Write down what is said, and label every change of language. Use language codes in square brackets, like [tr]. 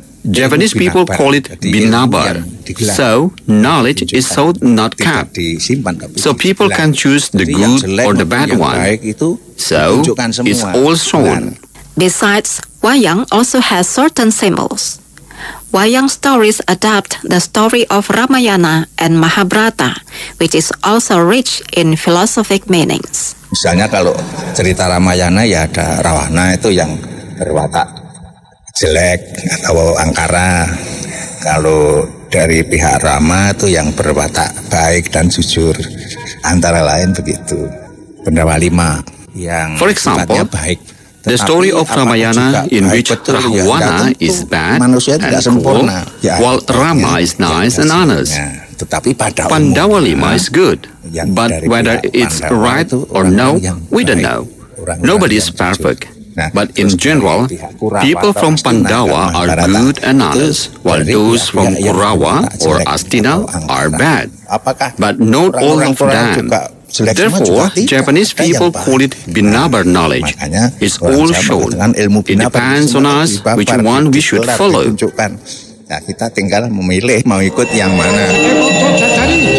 [en] Japanese people call it binabar, so knowledge is sought not kept, so people can choose the good or the bad one, so it's all shown. Besides, wayang also has certain symbols. Wayang stories adapt the story of Ramayana and Mahabharata, which is also rich in philosophic meanings. [id] Misalnya kalau cerita Ramayana ya ada Ravana itu yang berwatak jelek atau angkara. Kalau dari pihak Rama itu yang berwatak baik dan jujur, antara lain begitu. Pendawa lima yang [en] for example [id] baik, [en] the story of Ramayana in which Rahwana is bad and cruel, ya, while Rama is nice and honest. [id] Tetapi pada [en] Pandawa lima is good, but whether it's right or no, we don't know. Nobody is perfect. But in general, people from Pandawa are good and honest, while those from Kurawa or Astina are bad. But not all of them. Therefore, Japanese people call it binabar knowledge. It's all shown. It depends on us which one we should follow. [id] Kita tinggal memilih mau ikut yang mana.